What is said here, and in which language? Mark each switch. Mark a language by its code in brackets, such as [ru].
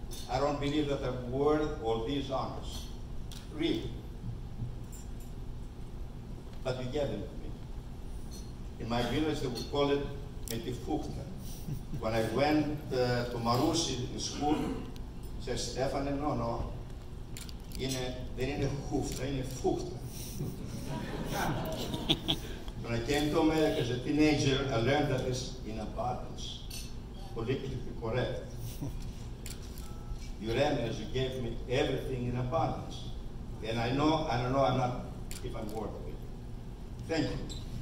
[en] I don't believe that I'm worth all these honors, really. But you gave them to me. In my village, they would call it Metifukta. When I went to Marusi in school, said, Stephanie, no, no. [el] Δεν είναι χούφτα, είναι φούχτα. [en] When I came to America as a teenager, I learned that it's in abundance. Politically correct. Your Eminence, you gave me everything in abundance. And I don't know I'm not if I'm worth it. Thank you.